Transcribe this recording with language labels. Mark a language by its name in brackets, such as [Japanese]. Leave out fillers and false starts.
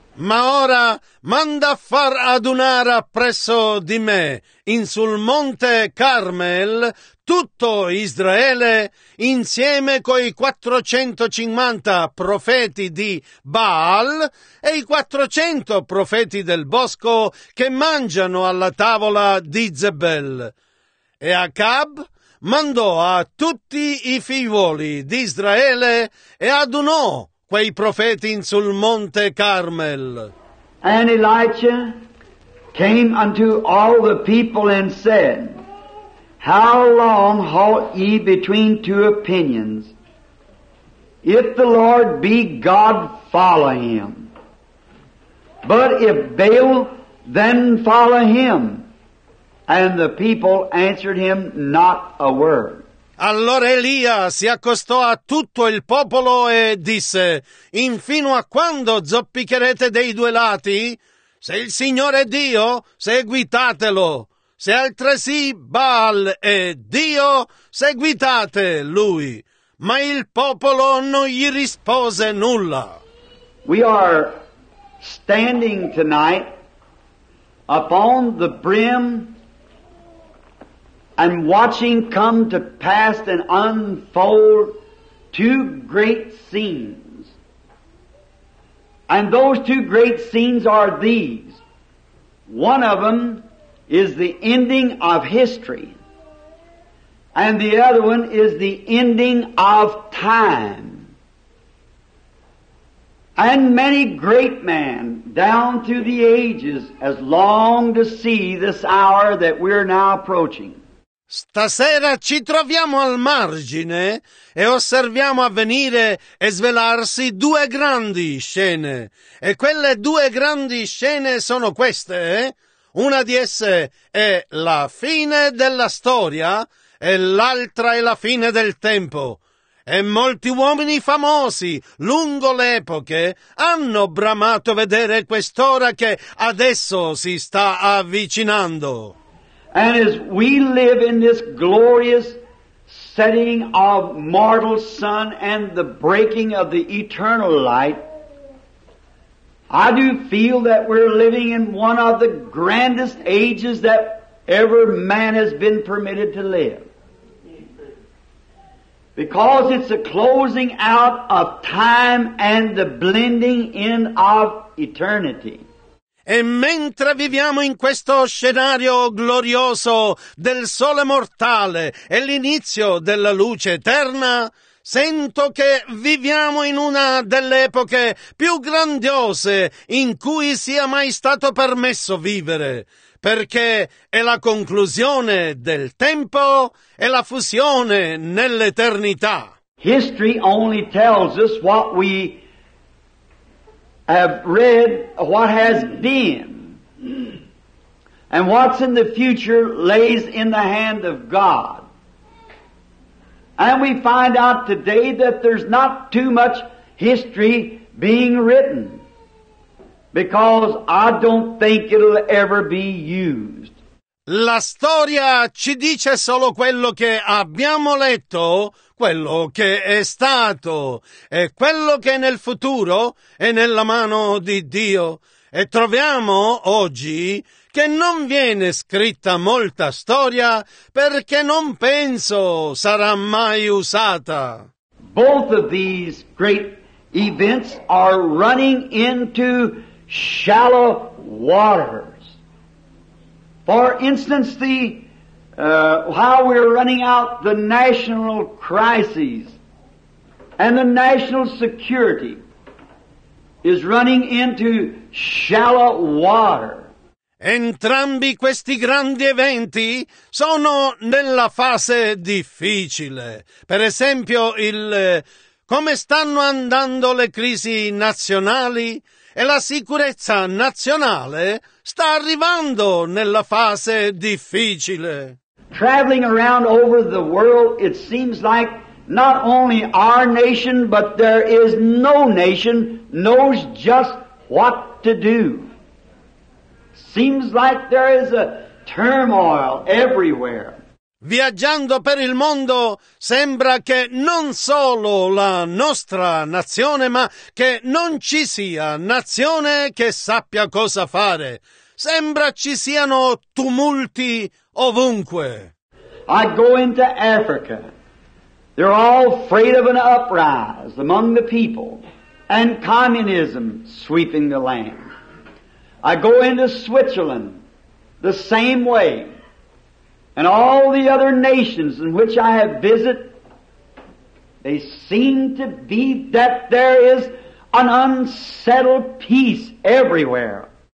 [Italian] Ma ora manda far adunare presso di me, in sul monte Carmel, tutto Israele, insieme coi 450 profeti di Baal e i 400 profeti del bosco che mangiano alla tavola di Zebel. E Acab mandò a tutti i figliuoli di Israele e adunò quei profeti in sul monte Carmel. [English] And Elijah came unto all the people and said, How long halt ye between two opinions? If the Lord be God, follow him. But if Baal, then follow him. And the people answered him not a word. [Italian] Allora Elia si accostò a tutto il popolo e disse, «Infino a quando zoppicherete dei due lati? Se il Signore è Dio, seguitatelo. Se altresì Baal è Dio, seguitate lui». Ma il popolo non gli rispose nulla. [English] We are standing tonight upon the brim and watching come to pass and unfold two great scenes. And those two great scenes are these. One of them is the ending of history. And the other one is the ending of time. And many great men down through the ages has longed to see this hour that we're now approaching. [Italian] Stasera ci troviamo al margine e osserviamo avvenire e svelarsi due grandi scene. E quelle due grandi scene sono queste. Una di esse è la fine della storia e l'altra è la fine del tempo. E molti uomini famosi lungo le epoche hanno bramato vedere quest'ora che adesso si sta avvicinando. [English] And as we live in this glorious setting of mortal sun and the breaking of the eternal light, I do feel that we're living in one of the grandest ages that ever man has been permitted to live. Because it's the closing out of time and the blending in of eternity. [Italian] E mentre viviamo in questo scenario glorioso del sole mortale e l'inizio della luce eterna, sento che viviamo in una delle epoche più grandiose in cui sia mai stato permesso vivere, perché è la conclusione del tempo e la fusione nell'eternità. [English] History only tells us what we have read, what has been, and what's in the future lays in the hand of God. And we find out today that there's not too much history being written, because I don't think it'll ever be used. [Italian] La storia ci dice solo quello che abbiamo letto, quello che è stato e quello che nel futuro è nella mano di Dio. E troviamo oggi che non viene scritta molta storia perché non penso sarà mai usata. [English] Both of these great events are running into shallow waters. For instance, how we're running out the national crises and the national security is running into shallow water. [Italian] Entrambi questi grandi eventi sono nella fase difficile. Per esempio, come stanno andando le crisi nazionali e la sicurezza nazionale sta arrivando nella fase difficile. [English] Traveling around over the world, it seems like not only our nation, but there is no nation knows just what to do. Seems like there is a turmoil everywhere. [Italian] Viaggiando per il mondo, sembra che non solo la nostra nazione, ma che non ci sia nazione che sappia cosa fare. Sembra ci siano tumulti ovunque. [English] I go into Africa. They're all afraid of an uprise among the people and communism sweeping the land. I go into Switzerland the same way. And all the other nations in which I have visited, they seem to be that there is an unsettled peace everywhere.